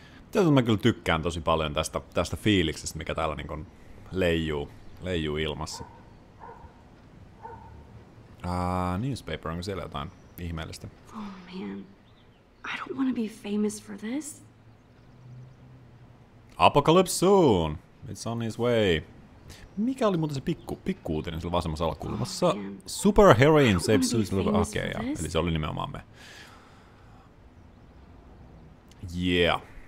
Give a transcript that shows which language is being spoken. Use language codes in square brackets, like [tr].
[fi] Tätä mä kyllä tykkään tosi paljon tästä fiiliksestä, mikä täällä niin kuin leijuu ilmassa. Newspaper, onko siellä jotain ihmeellistä? [en] Oh man, I don't want to be famous for this. Apocalypse soon! It's on its way. [fi] Mikä oli muuten se pikku uutinen sillä vasemmassa alakulmassa? Oh, [en] superheroine saves suicide akeja. [fi] Eli se oli nimenomaan me. [en] Yeah.